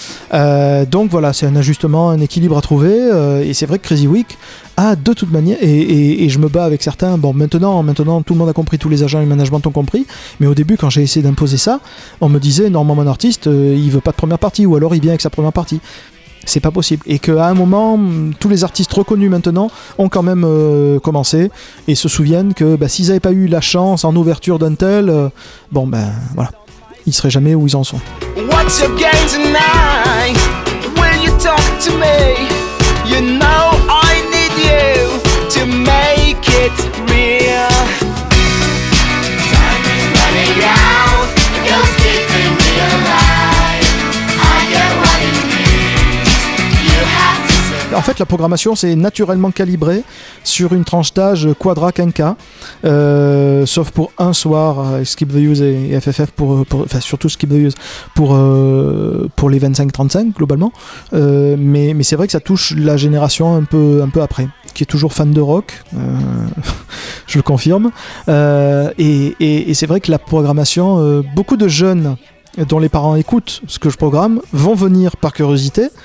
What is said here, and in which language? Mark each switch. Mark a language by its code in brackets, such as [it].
[fr] Donc voilà, c'est un ajustement, un équilibre à trouver, et c'est vrai que Crazy Week a de toute manière, et je me bats avec certains, bon maintenant tout le monde a compris, tous les agents et le management ont compris, mais au début quand j'ai essayé d'imposer ça, on me disait normalement mon artiste il veut pas de première partie, ou alors il vient avec sa première partie, c'est pas possible, et qu'à un moment tous les artistes reconnus maintenant ont quand même commencé et se souviennent que bah, s'ils avaient pas eu la chance en ouverture d'un tel, bon ben voilà, ils seraient jamais où ils en sont. [en] What's your game tonight? Will you talk to me? You know I need you to make it real. Time is running out. You're sleeping real life. I get what it means. You have to survive. [fr] En fait, la programmation, c'est naturellement calibré sur une tranche d'âge quadra quinca, sauf pour un soir, Skip the Use et FFF, surtout Skip the Use, pour les 25-35 globalement, mais c'est vrai que ça touche la génération un peu après, qui est toujours fan de rock, je le confirme, et c'est vrai que la programmation, beaucoup de jeunes dont les parents écoutent ce que je programme vont venir par curiosité.